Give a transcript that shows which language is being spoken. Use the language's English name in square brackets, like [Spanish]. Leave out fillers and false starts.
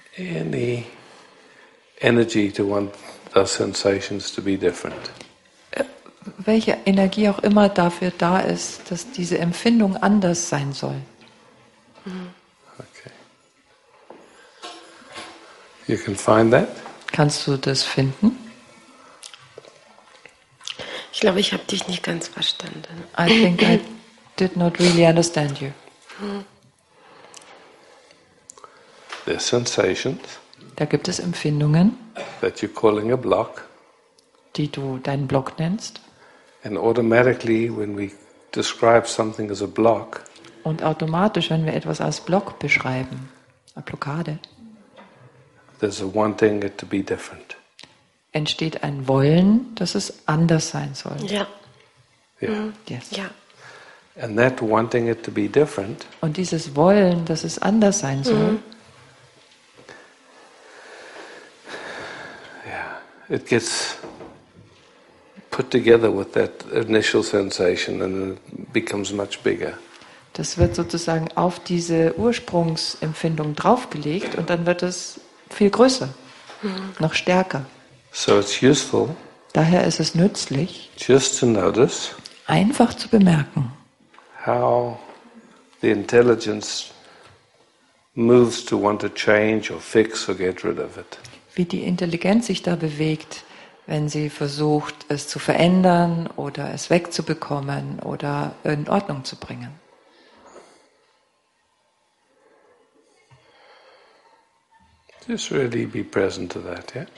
[English] Any energy to want the sensations to be different. [German] Welche Energie auch immer dafür da ist, dass diese Empfindung anders sein soll. [English] You can find that. [German] Kannst du das finden? Ich glaube, ich habe dich nicht ganz verstanden. I think I did not really understand you. [English] There are sensations. [German] Da gibt es Empfindungen. [English] That you're calling a block. [German] Die du deinen Block nennst. [English] And automatically, when we describe something as a block. [German] Und automatisch, wenn wir etwas als Block beschreiben, eine Blockade. [English] There's a wanting it to be different. [German] Entsteht ein Wollen, dass es anders sein soll. Ja. Ja. Ja. [English] And that wanting it to be different. [German] Und dieses Wollen, dass es anders sein soll. [English] Yeah. It gets put together with that initial sensation and it becomes much bigger. [German] Das wird sozusagen auf diese Ursprungsempfindung draufgelegt und dann wird es viel größer, noch stärker. [English] So it's useful. [German] Daher ist es nützlich, [English] just to notice, [German] einfach zu bemerken, [English] how the intelligence moves to want to change or fix or get rid of it. [German] Wie die Intelligenz sich da bewegt, wenn sie versucht, es zu verändern oder es wegzubekommen oder in Ordnung zu bringen. [English] Just really be present to that, yeah?